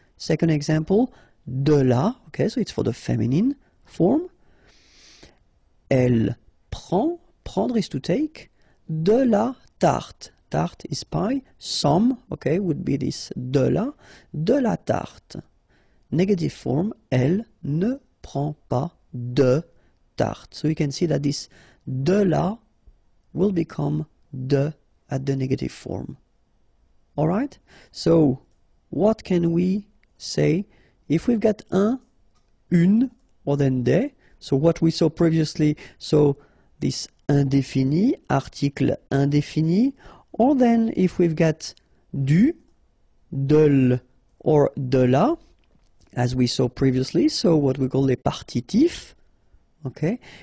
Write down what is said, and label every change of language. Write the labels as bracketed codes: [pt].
[en] Second example, de là, okay? So it's for the feminine form. [fr] Elle prend. [en] Prendre is to take, [fr] de la tarte, [en] tarte is pie, some, okay, would be this de la tarte. Negative form, [fr] elle ne prend pas de tarte. [en] So you can see that this de la will become de at the negative form. Alright, so what can we say if we've got un, une, or then des, so what we saw previously, so this indéfini, article indéfini, or then if we've got du, de l, or de la, as we saw previously, so what we call les partitifs, okay?